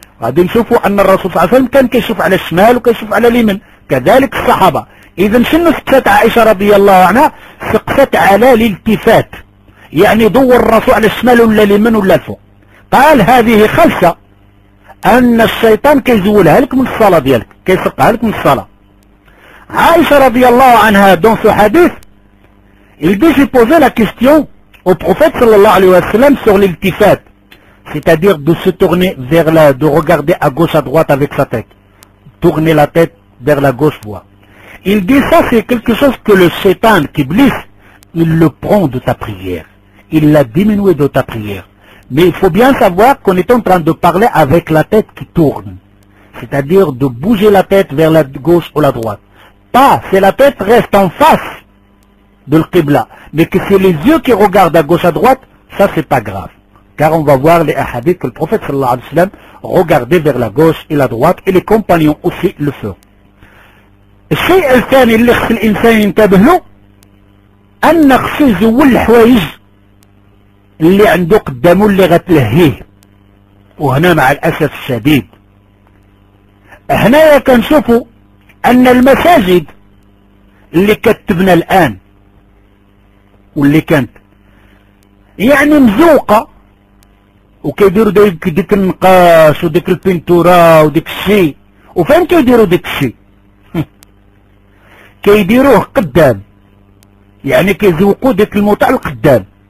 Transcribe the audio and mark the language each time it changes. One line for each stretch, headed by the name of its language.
Arabic: غادي نشوفوا أن الرسول صلى الله عليه وسلم كان كيشوف على الشمال وكيشوف على اليمين، كذلك الصحابة. إذا شنو سقسات عائشة رضي الله عنها؟ سقسات على الالتفات، يعني ضو الرسول على الشمال ولا اليمين ولا الفوق. قال هذه خلسة أن الشيطان كيزولها لك من الصلاة ديالك، كيسرقها لك من الصلاة. عائشة رضي الله عنها دون سو حديث
French: il dit j'ai posé la question au prophète صلى الله عليه وسلم sur l'iltifat، c'est-à-dire de se tourner vers la de regarder à gauche à droite avec sa tête, tourner la tête vers la gauche voie. Il dit ça c'est quelque chose que le Satan qui blesse il le prend de ta prière, il l'a diminué de ta prière. Mais il faut bien savoir qu'on est en train de parler avec la tête qui tourne, c'est-à-dire de bouger la tête vers la gauche ou la droite. Pas, c'est la tête reste en face de l'Qibla, mais que c'est les yeux qui regardent à gauche à droite, ça c'est pas grave. Car on va voir les hadiths que le prophète sallallahu alayhi wa sallam regardait vers la gauche et la droite, et les compagnons aussi le feront.
Arabic: الشيء الثاني اللي خص الانسان ينتبه له ان خص يزول الحوايج اللي عنده قدامه اللي غتلهيه. وهنا مع الاسف الشديد هنايا كنشوفوا ان المساجد اللي كتبنا الان واللي كانت يعني مزوقة وكيديروا ديك النقاش وديك البنتورا وديك الشيء، وفين كيديروا ديك الشيء؟ كيديروه قدام، يعني كيزوقوا ديك المتع القدام.